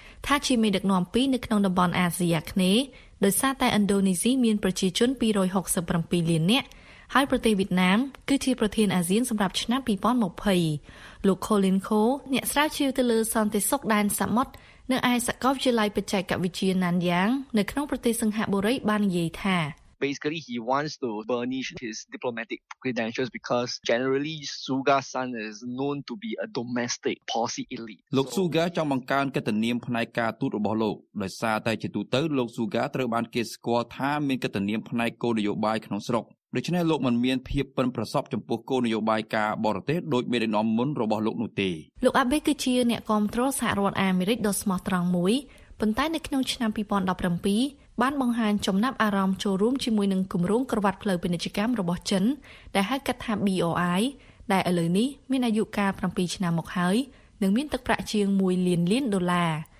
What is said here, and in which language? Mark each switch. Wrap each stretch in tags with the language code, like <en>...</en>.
<km>ថាជាមេដឹកនាំពីរនៅក្នុងតំបន់អាស៊ីអាគ្នេយ៍ដោយសារតែឥណ្ឌូនេស៊ីមានប្រជាជន267លាននាក់ហើយប្រទេសវៀតណាមគឺជាប្រធានអាស៊ានសម្រាប់ឆ្នាំ2020លោក Colin Coe អ្នកស្រាវជ្រាវទៅលើសន្តិសុខដែនសមុទ្រនៅឯសាកលវិទ្យាល័យបច្ចេកវិទ្យា Nanyang នៅក្នុងប្រទេសសិង្ហបុរីបាននិយាយថា</km> <en>Basically he wants to burnish his diplomatic credentials because generally Suga's son is known to be a domestic policy elite.</en> <km>លោក Suga ចង់បង្កើនកិត្តិនាមផ្នែកការទូតរបស់លោកដោយសារតែជាទូទៅលោក Suga ត្រូវបានគេស្គាល់ថាមានកិត្តិនាមផ្នែកគោលនយោបាយក្នុងស្រុកដូច្នេះលោកមិនមានភាពប៉ិនប្រសប់ចំពោះគោលនយោបាយការបរទេសដោយមេដឹកនាំមុនរបស់លោកនោះទេ លោកអាបេគឺជាអ្នកគ្រប់គ្រងសហរដ្ឋអាមេរិកដ៏ស្មោះត្រង់មួយប៉ុន្តែនៅក្នុងឆ្នាំ2017បានបង្ហាញចំណាប់អារម្មណ៍ចូលរួមជាមួយនឹងគម្រោងក្រវ៉ាត់ផ្លូវពាណិជ្ជកម្មរបស់ចិនដែលហៅកាត់ថា BRI ដែលឥឡូវនេះមានអាយុកាល7ឆ្នាំមកហើយនិងមានទឹកប្រាក់ជាង1លានលានដុល្លារ</km>